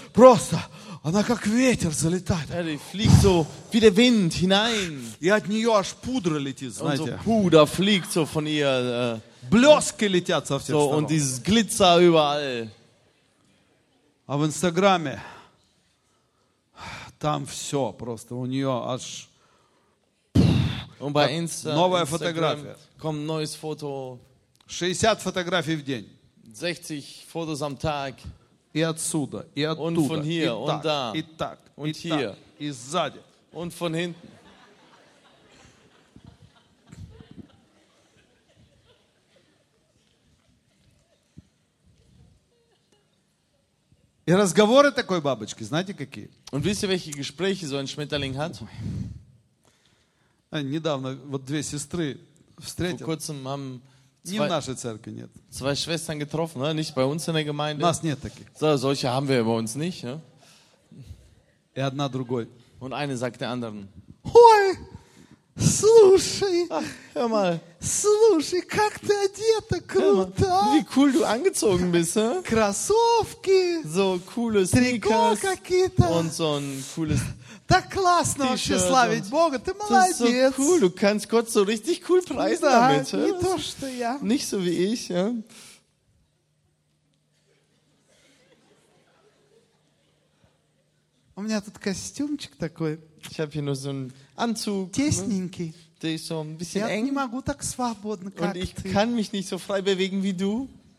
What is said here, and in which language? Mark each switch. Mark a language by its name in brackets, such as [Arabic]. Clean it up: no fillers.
[Russian] просто, она как ветер залетает. [German] Die fliegt so wie der Wind hinein. [Russian] И от нее аж пудра летит, знаете. [German] Und so Puder fliegt so von ihr. [Russian] Блёски летят со всех сторон. [German] Und dieses Glitzer überall. [Russian] А в Инстаграме там все просто у нее аж. [German] Und bei Instagram kommt ein neues Foto. [Russian] 60 фотографий в день. [German] 60 [Russian] фотос [German] am Tag. [Russian] И отсюда, и оттуда. [German] Und von hier, [Russian] и так, [German] und da. [Russian] И так, [German] und [Russian] и [German] hier. [Russian] Так, и сзади. [German] Und von hinten. [Russian] И разговоры такой бабочки, знаете какие? [German] Und wisst ihr, welche Gespräche so ein Schmetterling hat? Ой. [Russian] Недавно вот две сестры встретил. [German] Vor kurzem haben [Russian] не в нашей церкви нет. [German] Zwei Schwestern getroffen, ne? Nicht bei uns in der Gemeinde. [Russian] Нас нет таких. [German] So, solche haben wir bei uns nicht, ne? [Russian] И одна другой. [German] Und eine sagt der anderen. [Russian] Ой, слушай. [German] Ach, hör mal. [Russian] Слушай, как ты одета, круто. [German] Wie cool du angezogen bist, ne? [Russian] Кроссовки. [German] So coole Sneakers. [Russian] Трико какие-то. [German] Und so ein cooles. [Russian] Так классно вообще славить Бога, ты молодец. [German] So cool. Du kannst Gott so richtig cool preisen, [Russian] да, [German] damit. [Russian] Не то, что я. [German] Nicht so wie ich. Ja. [Russian] У меня тут костюмчик такой. [German] Ich habe hier nur so einen Anzug. [Russian] Тесненький. [German] der ist so ein bisschen eng. Nicht mal guter Schwabboden. Und ich kann mich nicht so frei bewegen wie du.